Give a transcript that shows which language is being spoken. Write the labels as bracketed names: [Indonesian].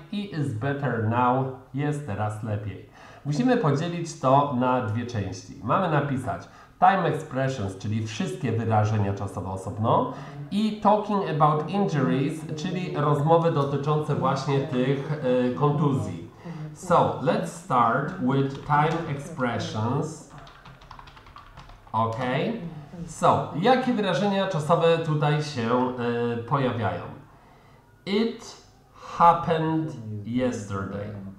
[English] I is better now, [Polish] jest teraz lepiej. Musimy podzielić to na dwie części. Mamy napisać time expressions, czyli wszystkie wyrażenia czasowe osobno. I [English] talking about injuries, [Polish] czyli rozmowy dotyczące właśnie tych kontuzji. [English] So, let's start with time expressions. OK. [Polish] So, jakie wyrażenia czasowe tutaj się pojawiają? [English] It happened yesterday.